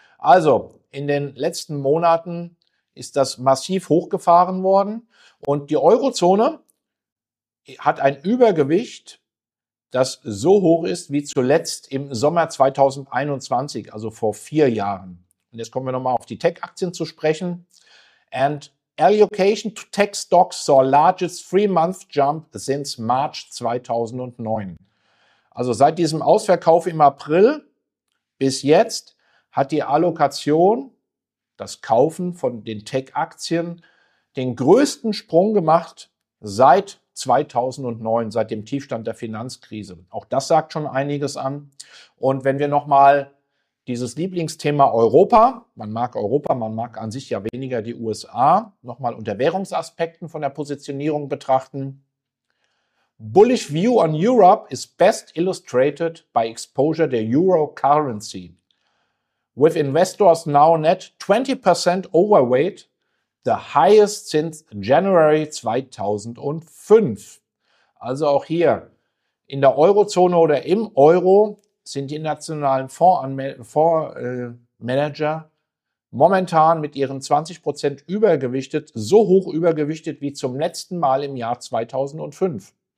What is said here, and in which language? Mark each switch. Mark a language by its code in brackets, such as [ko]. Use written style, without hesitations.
[de] Also, in den letzten Monaten ist das massiv hochgefahren worden und die Eurozone hat ein Übergewicht, das so hoch ist wie zuletzt im Sommer 2021, also vor 4 Jahren. Und jetzt kommen wir nochmal auf die Tech-Aktien zu sprechen. [en] And allocation to tech stocks saw largest 3-month jump since March 2009. [de] Also seit diesem Ausverkauf im April bis jetzt hat die Allokation, das Kaufen von den Tech-Aktien, den größten Sprung gemacht seit 2009, seit dem Tiefstand der Finanzkrise. Auch das sagt schon einiges an. Und wenn wir nochmal dieses Lieblingsthema Europa, man mag an sich ja weniger die USA, nochmal unter Währungsaspekten von der Positionierung betrachten. [en] Bullish view on Europe is best illustrated by exposure to euro currency. With investors now net 20% overweight, the highest since January 2005. [de] Also auch hier in der Eurozone oder im Euro sind die nationalen Fondsmanager momentan mit ihren 20% übergewichtet, so hoch übergewichtet wie zum letzten Mal im Jahr 2005.